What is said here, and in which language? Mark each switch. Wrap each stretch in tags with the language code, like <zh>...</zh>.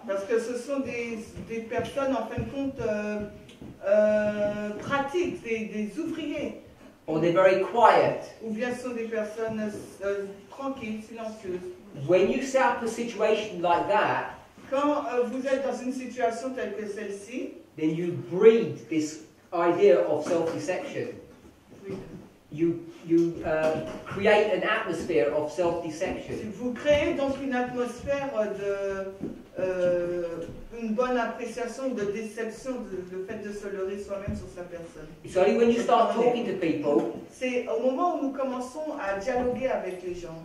<fr>Parce que ce sont des personnes, en fin de compte, pratiques, des ouvriers.</fr> <en>Or they're very quiet.</en> <fr>Ou bien ce sont des personnes tranquilles, silencieuses.</fr> <en>When you set up a situation like that,</en> <fr>quand vous êtes dans une situation telle que celle-ci,</fr> <en>then you breed this idea of self-deception. You create an atmosphere of self-deception.</en> <fr>Vous créez donc une atmosphère de une bonne appréciation de déception, le fait de se leurrer soi-même sur sa personne.</fr> <en>It's only when you start talking to people.</en> <fr>C'est au moment où nous commençons à dialoguer avec les gens.</fr>